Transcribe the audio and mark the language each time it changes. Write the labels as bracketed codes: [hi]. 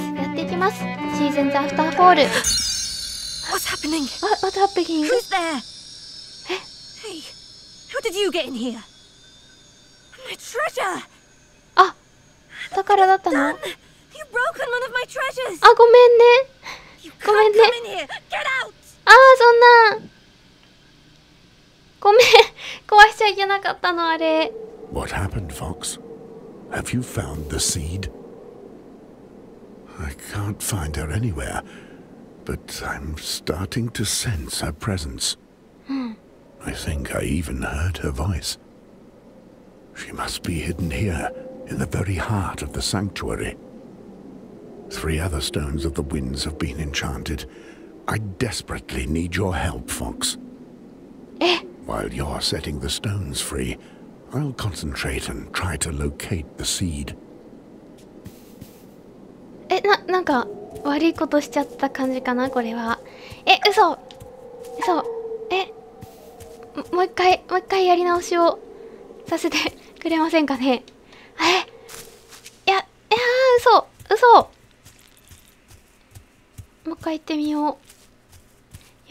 [ja] やっていきます、シーズンズアフターフォール。 [en] What's happening? What's happening? Who's there? え? Hey, how did you get in here? My treasure! [ja] あ、宝だったの。 [en] You've broken one of my treasures! [ja] あ、ごめんね、ごめんね。 [en] You can't come in here! Get out! [ja] あー、そんな、ごめん、壊しちゃいけなかったの、あれ。 [en] What happened, Fox? Have you found the seed? I can't find her anywhere, but I'm starting to sense her presence. I think I even heard her voice. She must be hidden here, in the very heart of the sanctuary. Three other stones of the winds have been enchanted. I desperately need your help, Fox. While you're setting the stones free, I'll concentrate and try to locate the seed. [ja] え、なんか悪いことしちゃった感じかな、これは。え、嘘、え、もう一回やり直しをさせてくれませんかね。え、いや嘘、もう一回行ってみよう。